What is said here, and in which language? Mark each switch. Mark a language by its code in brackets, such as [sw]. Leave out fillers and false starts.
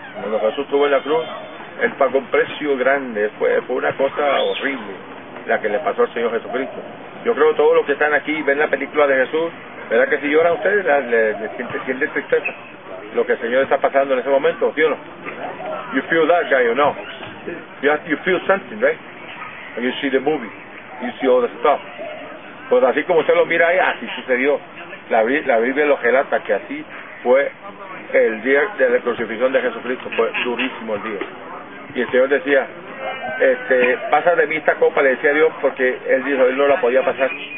[es] Cuando Jesús estuvo en la cruz, Él pagó un precio grande, fue una cosa horrible la que le pasó al Señor Jesucristo. Yo creo que todos los que están aquí ven la película de Jesús, ¿verdad que si lloran ustedes, le siente tristeza lo que el Señor está pasando en ese momento, ¿sí o no? [en] You feel that guy, or no? You feel something, right? And you see the movie, you see all the stuff. [es] Pues así como usted lo mira ahí, así sucedió. La Biblia lo relata, que así fue el día de la crucifixión de Jesucristo. Fue durísimo el día. Y el Señor decía, pasa de mí esta copa, le decía a Dios, porque Él dijo, Él no la podía pasar.